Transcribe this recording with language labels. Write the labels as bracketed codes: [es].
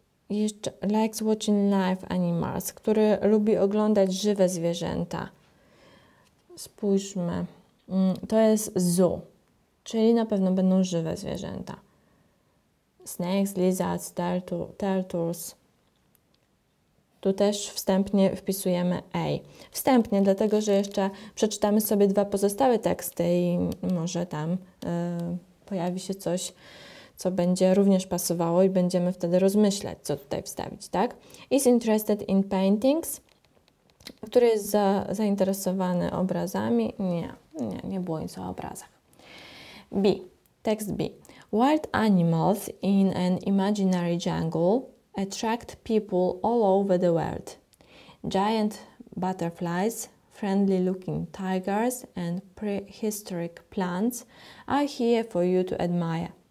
[pl] Jeszcze [en] likes watching live animals, [pl] który lubi oglądać żywe zwierzęta. Spójrzmy. To jest zoo, czyli na pewno będą żywe zwierzęta. [en] Snakes, lizards, turtles. [pl] Tu też wstępnie wpisujemy A. Wstępnie, dlatego że jeszcze przeczytamy sobie 2 pozostałe teksty i może tam pojawi się coś, co będzie również pasowało i będziemy wtedy rozmyślać, co tutaj wstawić, tak? [en] Is interested in paintings? [pl] Który jest zainteresowany obrazami? Nie było nic o obrazach. B. Tekst B. [en] Wild animals in an imaginary jungle attract people all over the world. Giant butterflies, friendly-looking tigers and prehistoric plants are here for you to admire.